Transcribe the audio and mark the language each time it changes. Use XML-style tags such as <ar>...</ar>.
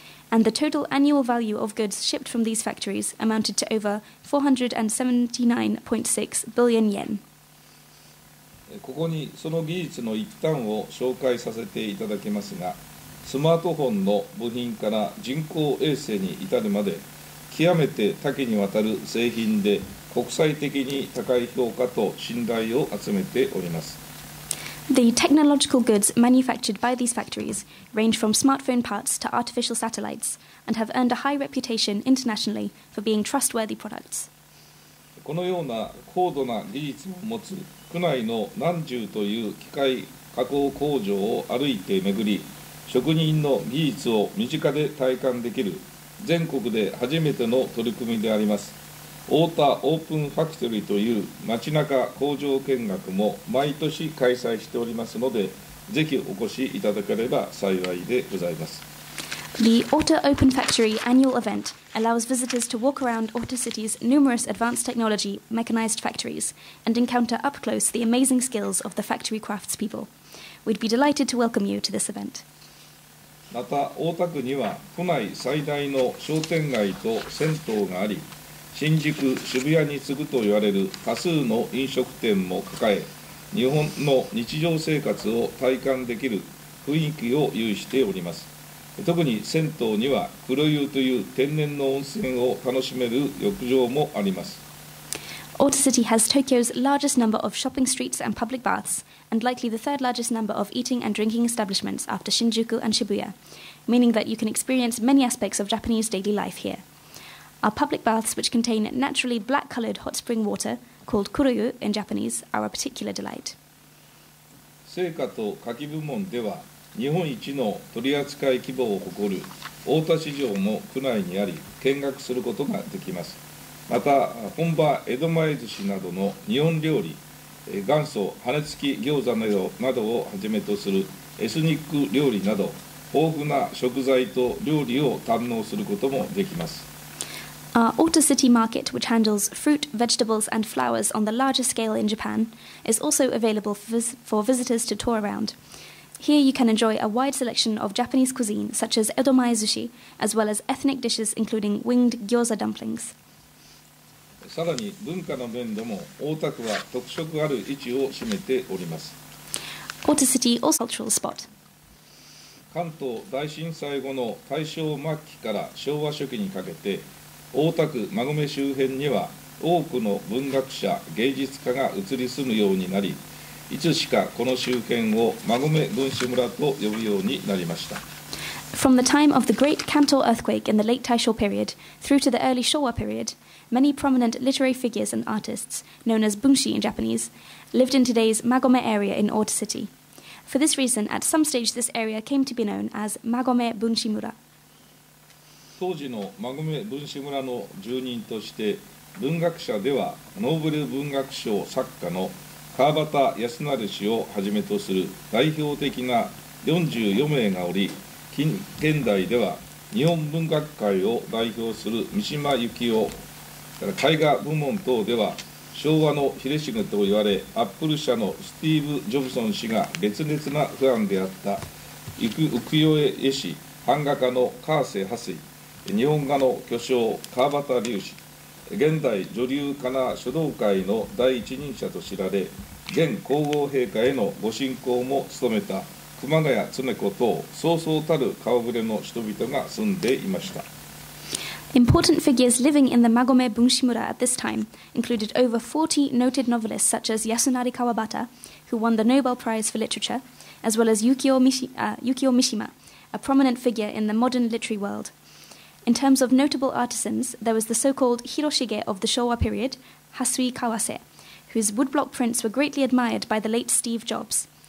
<en>And the total annual value of goods shipped from these factories amounted to over 479.6 billion yen.</en> <ja>ここにその技術の一端を紹介させていただきますが、スマートフォンの部品から人工衛星に至るまで極めて多岐にわたる製品で国際的に高い評価と信頼を集めております。</ja> <en>The technological goods manufactured by these factories range from smartphone parts to artificial satellites and have earned a high reputation internationally for being trustworthy products.</en> <ja>このような高度な技術を持つ区内の何十という機械加工工場を歩いて巡り、職人の技術を身近で体感できる全国で初めての取り組みであります。大田オープンファクトリーという街中工場見学も毎年開催しておりますので、ぜひお越しいただければ幸いでございます。</ja> <en>The Ota Open Factory annual event allows visitors to walk around Ota City's numerous advanced technology mechanized factories and encounter up close the amazing skills of the factory craftspeople. We'd be delighted to welcome you to this event.</en> <ja>また大田区には都内最大の商店街と銭湯があり、新宿、渋谷に次ぐと言われる多数の飲食店も抱え、日本の日常生活を体感できる雰囲気を有しております。特に銭湯には黒湯という天然の温泉を楽しめる浴場もあります。</ja> <en>Ota City has Tokyo's largest number of shopping streets and public baths, and likely the third largest number of eating and drinking establishments after Shinjuku and Shibuya, meaning that you can experience many aspects of Japanese daily life here. Our public baths, which contain naturally black-colored hot spring water, called kuroyu in Japanese, are a particular delight.</en> <ja>生花と花器部門では、日本一の取扱規模を誇る大田市場も区内にあり、見学することができます。また、本場江戸前寿司などの日本料理、元祖羽根付き餃子などをはじめとするエスニック料理など、豊富な食材と料理を堪能することもできます。</ja> <en>Our Ota City Market, which handles fruit, vegetables and flowers on the largest scale in Japan, is also available for visitors to tour around. Here you can enjoy a wide selection of Japanese cuisine, such as edomai sushi, as well as ethnic dishes including winged gyoza dumplings.</en> <ja>さらに文化の面でも大田区は特色ある位置を占めております。</ja> <en>Ota City also cultural spot.</en> <ja>関東大震災後の大正末期から昭和初期にかけて、大田区馬込周辺には多くの文学者、芸術家が移り住むようになり、いつしかこの周辺を馬込文士村と呼ぶようになりました。</ja> <en>From the time of the great Kanto earthquake in the late Taisho period through to the early Showa period, many prominent literary figures and artists, known as bunshi in Japanese, lived in today's Magome area in Ōta City. For this reason, at some stage this area came to be known as Magome Bunshimura.</en> <ja>当時のマゴメ文士村の住人として、文学者ではノーブル文学賞作家の川端康成氏をはじめとする代表的な44名がおり、近現代では日本文学界を代表する三島由紀夫、絵画部門等では昭和のヒレシグと言われ、アップル社のスティーブ・ジョブソン氏が熱烈なファンであった浮世絵師、版画家の川瀬波水、日本画の巨匠川端龍氏、現代女流かな書道界の第一人者と知られ、現皇后陛下へのご進講も務めた熊谷恒子等、そうそうたる顔ぶれの人々が住んでいました。</ja> <en>Important figures living in the Magome Bunshimura at this time included over 40 noted novelists such as Yasunari Kawabata, who won the Nobel Prize for Literature, as well as Yukio Mishima, a prominent figure in the modern literary world. In terms of notable artisans, there was the so-called Hiroshige of the Showa period, Hasui Kawase, whose woodblock prints were greatly admired by the late Steve Jobs.</en>